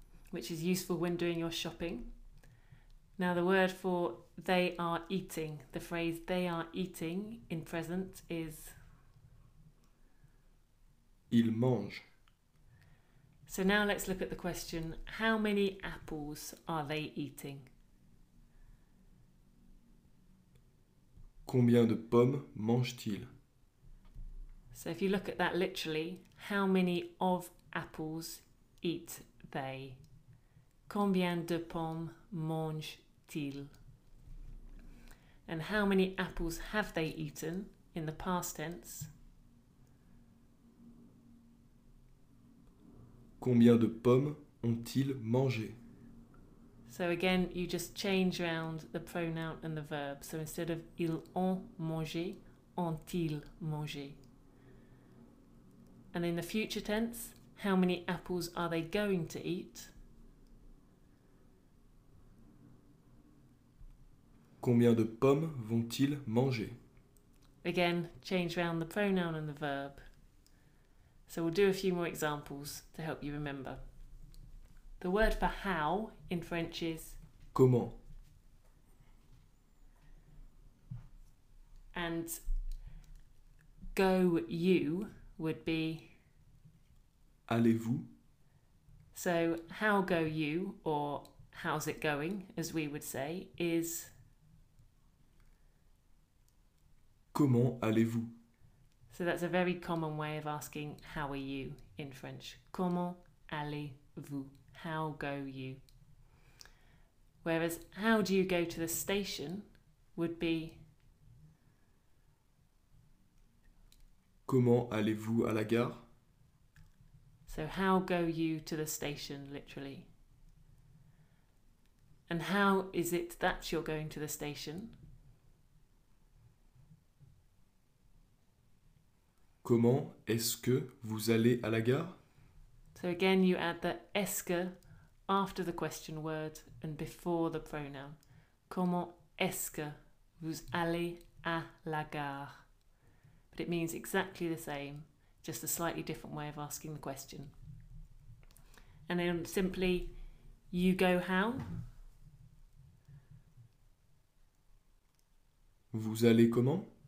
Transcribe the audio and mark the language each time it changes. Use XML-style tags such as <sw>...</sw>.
<en>which is useful when doing your shopping. Now the word for they are eating, the phrase they are eating in present is</en> <fr>ils mangent.</fr> <en>So now let's look at the question, how many apples are they eating?</en> <fr>Combien de pommes mange-t-il?</fr> <en>So if you look at that literally, how many of apples eat they?</en> <fr>Combien de pommes mange-t-il?</fr> <en>And how many apples have they eaten in the past tense?</en> <fr>Combien de pommes ont-ils mangé?</fr> <en>So again, you just change around the pronoun and the verb. So instead of</en> <fr>ils ont mangé, ont-ils mangé?</fr> <en>And in the future tense, how many apples are they going to eat?</en> <fr>Combien de pommes vont-ils manger?</fr> <en>Again, change around the pronoun and the verb. So we'll do a few more examples to help you remember. The word for how in French is</en> <fr>comment.</fr> <en>And go you would be</en> <fr>allez-vous.</fr> <en>So how go you, or how's it going, as we would say, is</en> <fr>comment allez-vous?</fr> <en>So that's a very common way of asking how are you in French.</en> <fr>Comment allez-vous?</fr> <en>How go you? Whereas how do you go to the station would be</en> <fr>comment allez-vous à la gare?</fr> <en>So how go you to the station, literally. And how is it that you're going to the station?</en> <fr>Comment est-ce que vous allez à la gare?</fr> <en>So again, you add the est-ce after the question word and before the pronoun.</en> <fr>Comment est-ce que vous allez à la gare?</fr> <en>But it means exactly the same, just a slightly different way of asking the question. And then simply, you go how?</en> <fr>Vous allez comment?</fr>